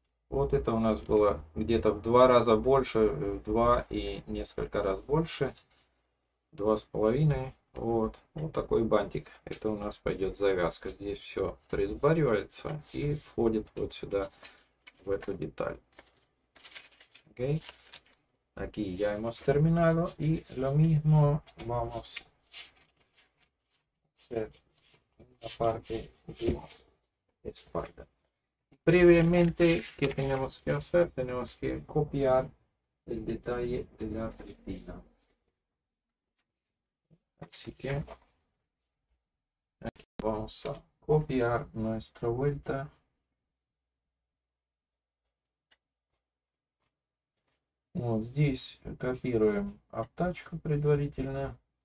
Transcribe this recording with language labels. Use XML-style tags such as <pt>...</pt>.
<ru>Вот это у нас было где-то в два раза больше, в два и несколько раз больше, 2,5. Вот, вот такой бантик. Это у нас пойдет завязка. Здесь все присборивается и входит вот сюда, в эту деталь. Окей.</ru> <es>Aquí ya hemos terminado y lo mismo vamos a hacer en la parte de espalda. Previamente, ¿qué tenemos que hacer? Tenemos que copiar el detalle de la retina. Así que aquí vamos a copiar nuestra vuelta.</es> <ru>Вот здесь копируем обтачку предварительно.</ru>